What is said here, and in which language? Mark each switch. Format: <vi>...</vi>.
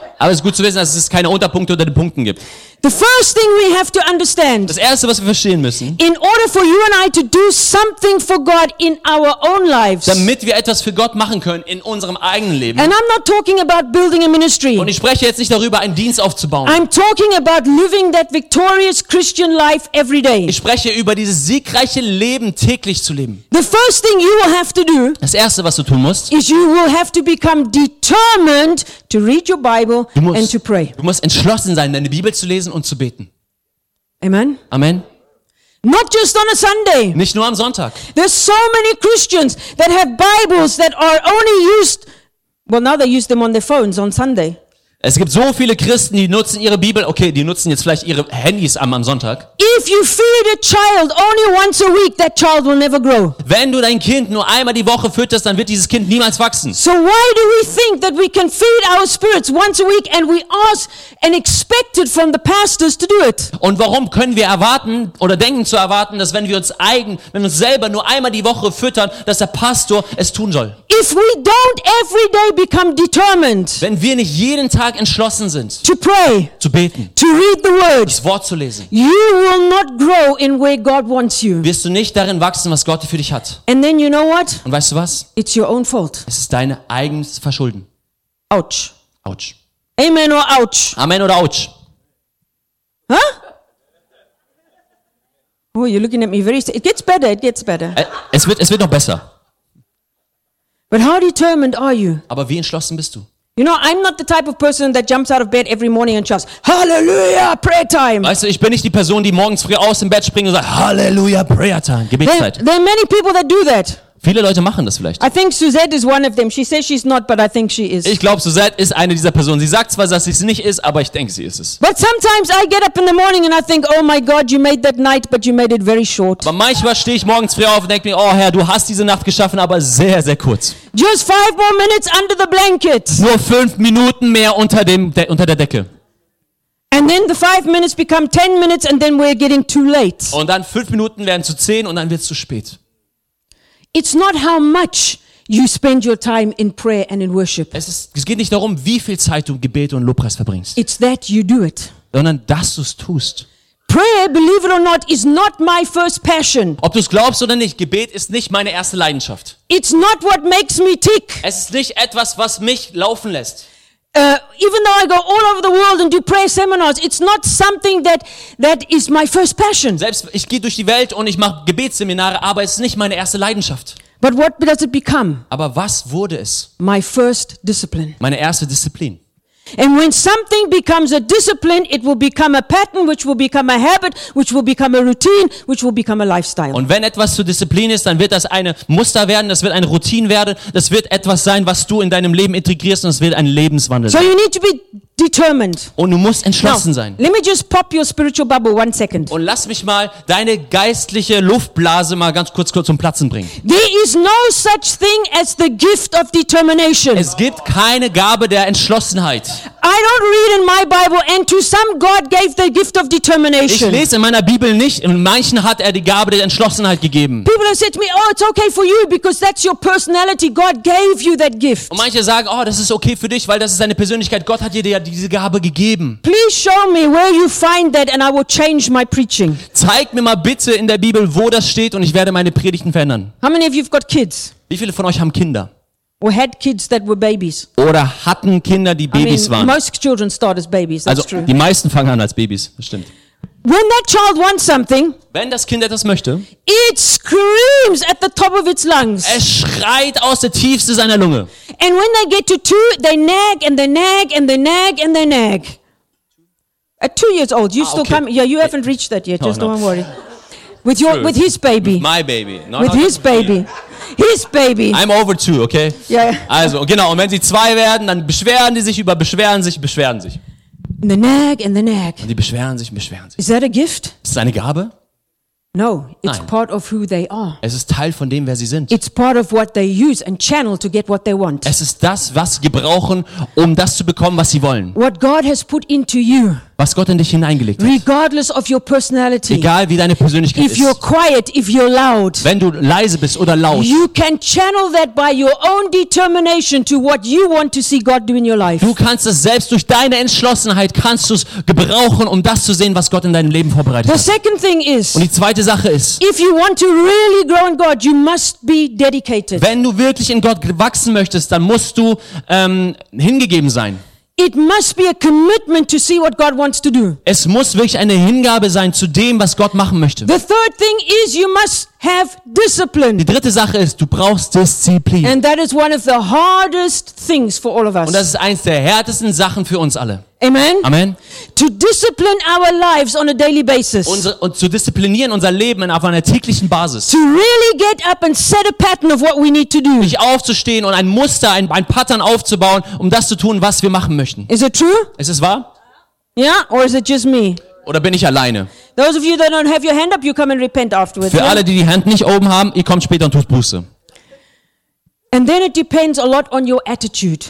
<de>Aber es ist gut zu wissen, dass es keine Unterpunkte unter den Punkten gibt.</de> <en>The first thing we have to understand.</en> <de>Das erste, was wir verstehen müssen.</de> <en>In order for you and I to do something for God in our own lives.</en> <de>Damit wir etwas für Gott machen können in unserem eigenen Leben.</de> <en>And I'm not talking about building a ministry.</en> <de>Und ich spreche jetzt nicht darüber, einen Dienst aufzubauen.</de> <en>I'm talking about living that victorious Christian life every day.</en> <de>Ich spreche über dieses siegreiche Leben täglich zu leben.</de> <en>The first thing you will have to do.</en> <de>Das erste, was du tun musst.</de> <en>Is you will have to become determined to read your Bible and to pray.</en> <de>Du musst entschlossen sein, deine Bibel zu lesen und zu beten. Amen. Amen.</de> <en>Not just on a Sunday.</en> <de>Nicht nur am Sonntag.</de> <en>There's so many Christians that have Bibles that are only used. Well, now they use them on their phones on Sunday.</en> <de>Es gibt so viele Christen, die nutzen ihre Bibel. Okay, die nutzen jetzt vielleicht ihre Handys am Sonntag.</de> <en>If you feed a child only once a week, that child will never grow.</en> <de>Wenn du dein Kind nur einmal die Woche fütterst, dann wird dieses Kind niemals wachsen.</de> <en>So why do we think that we can feed our spirits once a week and we ask and expect it from the pastors to do it?</en> <de>Und warum können wir erwarten oder denken zu erwarten, dass wenn wir uns selber nur einmal die Woche füttern, dass der Pastor es tun soll?</de> <en>If we don't every day become determined.</en> <de>Wenn wir nicht jeden Tag entschlossen sind,</de> <en>to pray,</en> <de>zu beten,</de> <en>to read the word,</en> <de>das Wort zu lesen,</de> <en>you will not grow in where God wants you.</en> <de>Wirst du nicht darin wachsen, was Gott für dich hat.</de> <en>And then you know what?</en> <de>Und weißt du was?</de> <en>It's your own fault.</en> <de>Es ist deine eigenes Verschulden. Ouch. Ouch.</de> <en>Amen or ouch.</en> <de>Amen oder ouch. Huh?</de> <en>Oh, you're looking at me very. It gets better. It gets better.</en> <de>Es wird noch besser.</de> <en>But how determined are you?</en> <de>Aber wie entschlossen bist du?</de> <en>You know, I'm not the type of person that jumps out of bed every morning and shouts, "Hallelujah, prayer time."</en> <de>Weißt du, ich bin nicht die Person, die morgens früh aus dem Bett springt und sagt, "Hallelujah,</de> <en>prayer time."</en> <de>Gebetszeit.</de> <en>There are many people that do that.</en> <de>Viele Leute machen das vielleicht.</de> <en>I think Suzette is one of them. She says she's not, but I think she is.</en> <de>Ich glaube, Suzette ist eine dieser Personen. Sie sagt zwar, dass sie es nicht ist, aber ich denke, sie ist es.</de> <en>But sometimes I get up in the morning and I think, "Oh my God, you made that night, but you made it very short."</en> <de>Aber manchmal stehe ich morgens früh auf und denke mir, "Oh Herr, du hast diese Nacht geschaffen, aber sehr, sehr kurz."</de> <en>Just 5 more minutes under the blanket.</en> <de>Nur 5 Minuten mehr unter der Decke.</de> <en>And then the 5 minutes become 10 minutes and then we're getting too late.</en> <de>Und dann 5 Minuten werden zu 10 und dann wird's zu spät.</de> <en>It's not how much you spend your time in prayer and in worship.</en> <de>Es geht nicht darum, wie viel Zeit du im Gebet und Lobpreis verbringst.</de> <en>It's that you do it.</en> <de>Sondern dass du es tust.</de> <en>Prayer, believe it or not, is not my first passion.</en> <de>Ob du es glaubst oder nicht, Gebet ist nicht meine erste Leidenschaft.</de> <en>It's not what makes me tick.</en> <de>Es ist nicht etwas, was mich laufen lässt.</de> <en>Even though I go all over the world and do prayer seminars, it's not something that is my first passion.</en> <de>Selbst ich gehe durch die Welt und ich mache Gebetsseminare, aber es ist nicht meine erste Leidenschaft.</de> <en>But what does it become?</en> <de>Aber was wurde es?</de> <en>My first discipline.</en> <de>Meine erste Disziplin.</de> <en>And when something becomes a discipline, it will become a pattern, which will become a habit, which will become a routine, which will become a lifestyle.</en> <de>Und wenn etwas zur Disziplin ist, dann wird das eine Muster werden, das wird eine Routine werden, das wird etwas sein, was du in deinem Leben integrierst und es wird ein Lebenswandel sein.</de> <en>So you need to be determined.</en> <de>Und du musst entschlossen sein.</de> <en>Let me just pop your spiritual bubble one second.</en> <de>Und lass mich mal deine geistliche Luftblase mal ganz kurz zum Platzen bringen.</de> <en>There is no such thing as the gift of determination.</en> <de>Es gibt keine Gabe der Entschlossenheit.</de> <en>I don't read in my Bible, and to some God gave the gift of determination.</en> <de>Ich lese in meiner Bibel nicht. In manchen hat er die Gabe der Entschlossenheit gegeben.</de> <en>People have said to me, oh, it's okay for you because that's your personality. God gave you that gift.</en> <de>Und manche sagen, oh, das ist okay für dich, weil das ist deine Persönlichkeit. Gott hat dir ja diese Gabe gegeben.</de> <en>Please show me where you find that, and I will change my preaching.</en> <de>Zeig mir mal bitte in der Bibel, wo das steht, und ich werde meine Predigten verändern.</de> <en>How many of you have got kids?</en> <de>Wie viele von euch haben Kinder?</de> <en>Or had kids that were babies.</en> <de>Oder hatten Kinder, die Babys waren.</de> <en>Most children start as babies, that's also, true.</en> <de>Die meisten fangen an als Babys, das stimmt.</de> <en>When that child wants something,</en> <de>wenn das Kind etwas möchte,</de> <en>it screams at the top of its lungs.</en> <de>Es schreit aus der Tiefste seiner Lunge.</de> <en>And when they get to two, they nag and they nag and they nag and they nag. At 2 years old, you still come, yeah, you haven't reached that yet, just don't worry. With your, with his baby. With my baby. Not with his baby. His baby. I'm over two, okay? Yeah.</en> <de>Also, genau, und wenn sie zwei werden, dann beschweren die sich über beschweren sich.</de> <en>And the nag and the nag.</en> <de>Und die beschweren sich.</de> <en>Is that a gift?</en> <de>Ist das eine Gabe?</de> <en>No, it's part of who they are.</en> <de>Es ist Teil von dem, wer sie sind.</de> <en>It's part of what they use and channel to get what they want.</en> <de>Es ist das, was sie gebrauchen, um das zu bekommen, was sie wollen.</de> <en>What God has put into you.</en> <de>Was Gott in dich hineingelegt hat.</de> <en>Regardless of your personality.</en> <de>Egal wie deine Persönlichkeit ist.</de> <en>If you're quiet, if you're loud.</en> <de>Wenn du leise bist oder laut.</de> <en>You can channel that by your own determination to what you want to see God do in your life.</en> <de>Du kannst es selbst durch deine Entschlossenheit kannst du es gebrauchen, um das zu sehen, was Gott in deinem Leben vorbereitet</de> <en>the</en> <de>hat.</de> <en>The second thing is.</en> <de>Und die zweite Sache ist.</de> <en>If you want to really grow in God, you must be dedicated.</en> <de>Wenn du wirklich in Gott wachsen möchtest, dann musst du hingegeben sein.</de> <en>It must be a commitment to see what God wants to do.</en> <de>Es muss wirklich eine Hingabe sein zu dem, was Gott machen möchte.</de> <en>The third thing is you must have discipline.</en> <de>Die dritte Sache ist, du brauchst Disziplin.</de> <en>And that is one of the hardest things for all of us.</en> <de>Und das ist eins der härtesten Sachen für uns alle. Amen. Amen.</de> <en>To discipline our lives on a daily basis.</en> <de>Und zu disziplinieren unser Leben auf einer täglichen Basis.</de> <en>To really get up and set a pattern of what we need to do.</en> <de>Sich aufzustehen und ein Muster, ein Pattern aufzubauen, um das zu tun, was wir machen möchten.</de> <en>Is it true?</en> <de>Ist es wahr?</de> <en>Yeah, or is it just me?</en> <de>Oder bin ich alleine?</de> <en>Those of you that don't have your hand up, you come and repent afterwards.</en> <de>Für alle, die Hand nicht oben haben, ihr kommt später und tut Buße.</de> <en>And then it depends a lot on your attitude.</en>